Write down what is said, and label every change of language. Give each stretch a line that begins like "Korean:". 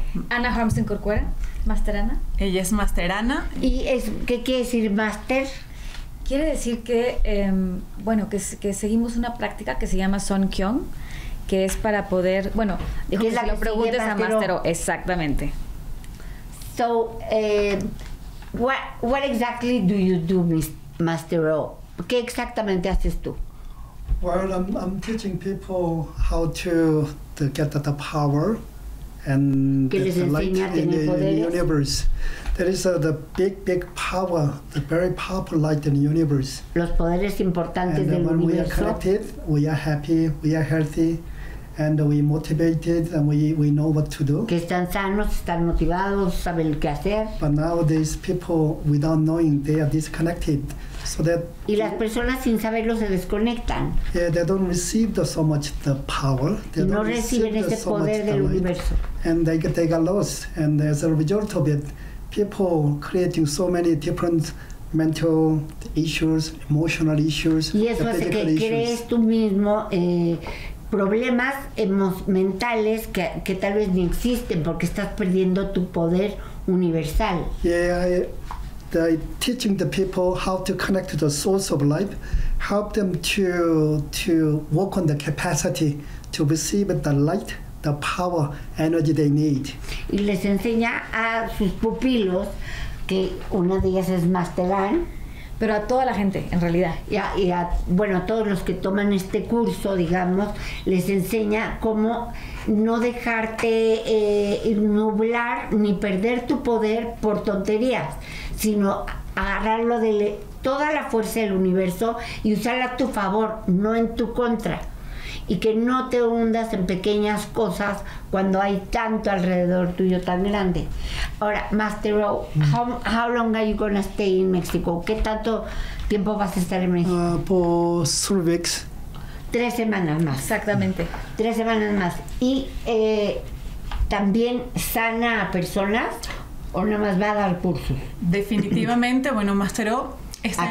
Spanish: Ana Harmsen Corcuera, Masterana. Ella es Masterana. ¿Y es, qué quiere decir Master? Quiere decir que, bueno, que seguimos una práctica que se llama Son Kyung, que es para poder, bueno, dijo que si lo preguntes a Master O. Exactamente.
English: So, what exactly do you do, Master O?
Spanish: ¿Qué exactamente haces tú?
English: Well, I'm teaching people how to get the power and the light in the universe. There is the big power, the very powerful light in the universe.
Spanish: Los poderes importantes del universo.
English: And when we are connected, we are happy, we are healthy, and we motivated, and we know what to do.
Spanish: Que están sanos, están motivados, saben qué hacer.
English: But nowadays, people, without knowing, they are disconnected. So that
Spanish: y las personas sin saberlo se desconectan.
English: Yeah, they don't receive so much the power. They
Spanish: no reciben ese
English: so
Spanish: poder del universo.
English: And they got lost. And as a result of it, people creating so many different mental issues, emotional issues,
Spanish: y eso hace que crees tú mismo problemas mentales que tal vez ni existen porque estás perdiendo tu poder universal.
English: Yeah, teaching the people how to connect to the source of life, help them to work on the capacity to receive the light, the power, energy they need.
Spanish: Y les enseña a sus pupilos, que una de ellas es Master Anne, pero a toda la gente, en realidad. Y a todos los que toman este curso, digamos, les enseña cómo no dejarte nublar ni perder tu poder por tonterías, sino agarrarlo de toda la fuerza del universo y usarla a tu favor, no en tu contra. Y que no te hundas en pequeñas cosas cuando hay tanto alrededor tuyo tan grande.
English: Ahora, Master O, how long are you going to stay in Mexico?
Spanish: ¿Qué tanto tiempo vas a estar en México? Por 3 weeks. 3 semanas más. Exactamente. 3 semanas más. Y también sana a personas, ¿o nada más va a dar cursos? Definitivamente, bueno, Master O está